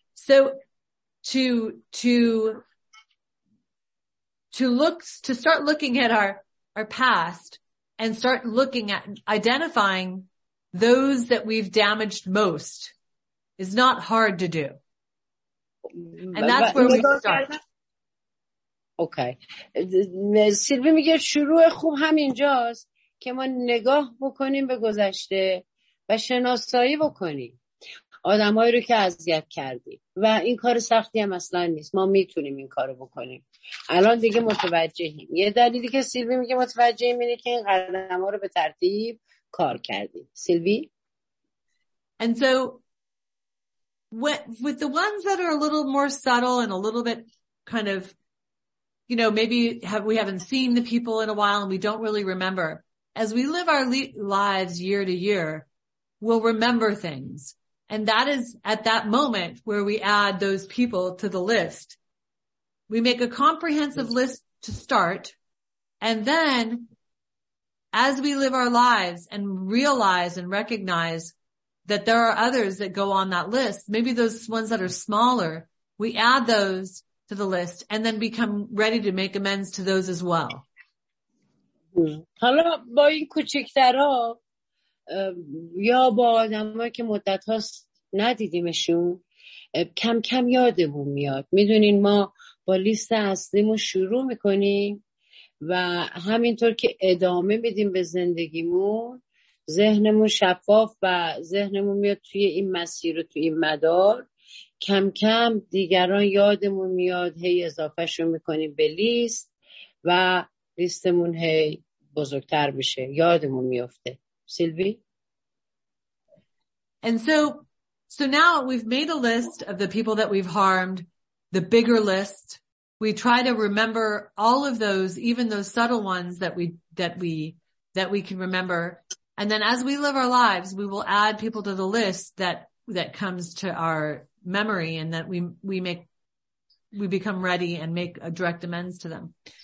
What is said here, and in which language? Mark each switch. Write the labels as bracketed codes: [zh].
[en] So to start looking at our past and start looking at identifying those that we've damaged most is not hard to do. And that's where we start. Okay. [fa] Silvi میگه شروع خوب همینجاست که ما نگاه بکنیم به گذشته و شناسایی بکنیم. آدمایی رو که اذیت کردیم و این کار سختی هم اصلا نیست، ما میتونیم این کارو بکنیم. الان دیگه متوجهیم. یه دلیلی که سیلوی میگه متوجهیم اینه که این قدما رو به ترتیب کار کردیم. سیلوی [en] And so with the ones that are a little more subtle and a little bit kind of you know maybe we haven't seen the people in a while and we don't really remember, as we live our lives year to year we'll remember things. And that is at that moment where we add those people to the list. We make a comprehensive list to start. And then as we live our lives and realize and recognize that there are others that go on that list, maybe those ones that are smaller, we add those to the list and then become ready to make amends to those as well. [fa] حالا با این کوچکترها یا با آدمایی که مدت هاست ندیدیمشون کم کم یادمون میاد. میدونین ما با لیست اصلیمون شروع میکنیم و همینطور که ادامه میدیم به زندگیمون ذهنمون شفاف و ذهنمون میاد توی این مسیر و توی این مدار، کم کم دیگران یادمون میاد، هی اضافهشو میکنیم به لیست و لیستمون هی بزرگتر بشه، یادمون میفته. [en] Sylvie? And so now we've made a list of the people that we've harmed, the bigger list. We try to remember all of those, even those subtle ones that we can remember. And then as we live our lives, we will add people to the list that comes to our memory and that we become ready and make a direct amends to them.